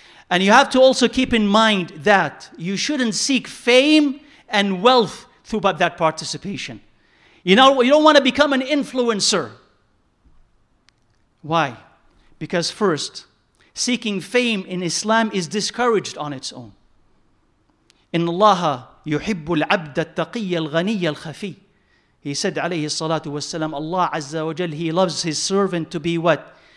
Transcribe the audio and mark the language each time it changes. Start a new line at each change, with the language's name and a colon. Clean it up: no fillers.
English: And you have to also keep in mind that you shouldn't seek fame and wealth through that participation. You know, you don't want to become an influencer. Why? Because first, seeking fame in Islam is discouraged on its own.
Arabic: إن الله يحب العبد التقي الغني الخفي.
English: He said,
Arabic: عليه الصلاة والسلام,
English: Allah Azza wa Jal, He loves His servant to be what?